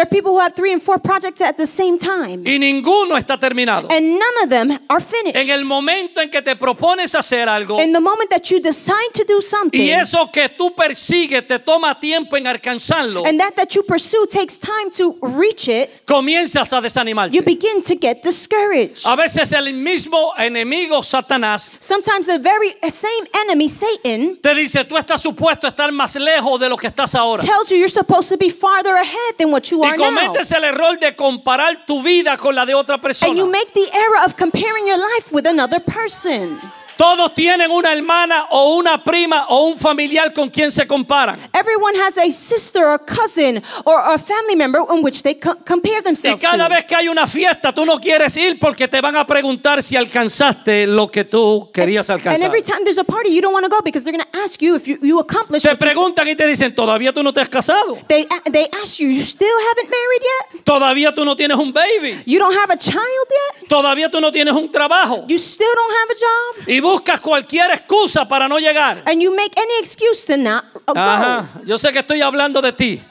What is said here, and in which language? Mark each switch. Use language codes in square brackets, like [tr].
[en] There are people who have three and four projects at the same time. [es] Y ninguno está terminado. [en] And none of them are finished. [es] En el momento en que te propones hacer algo, [en] in the moment that you decide to do something, [es] y eso que tú persigues te toma tiempo en alcanzarlo, [en] and that you pursue takes time to reach it, [es] comienzas a desanimarte. [en] You begin to get discouraged. [es] A veces el mismo enemigo Satanás, [en] sometimes the very same enemy Satan, [es] te dice, tú estás supuesto estar más lejos de lo que estás ahora, [en] tells you you're supposed to be farther ahead than what you are now. [es] Y cometes el error de comparar tu vida con la de otra persona, [en] and you make the error of comparing your life with another person. [es] Todos tienen una hermana o una prima o un familiar con quien se comparan. [en] Everyone has a sister or cousin or a family member in which they compare themselves to. [es] Y cada vez que hay una fiesta, tú no quieres ir porque te van a preguntar si alcanzaste lo que tú querías alcanzar. [en] And every time there's a party, you don't want to go because they're going to ask you if you accomplished. [es] Te preguntan y te dicen, ¿todavía tú no te has casado? [en] They ask you, you still haven't married yet? [es] ¿Todavía tú no tienes un baby? [en] You don't have a child yet? [es] ¿Todavía tú no tienes un trabajo? [en] You still don't have a job? [es] Y buscas cualquier excusa para no llegar. [en] And you make any excuse to not go. [es] Ajá. Yo sé que estoy hablando de ti.